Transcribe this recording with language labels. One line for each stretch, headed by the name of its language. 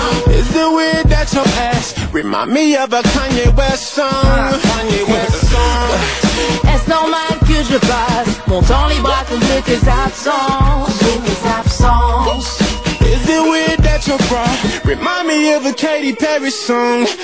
English: Is the way that your ass remind me of a Kanye West song.
French: Est-ce normal que je passe mon temps libre à cause de tes absences, de mes absences.
English: Is the way that your bra remind me of a Katy Perry song.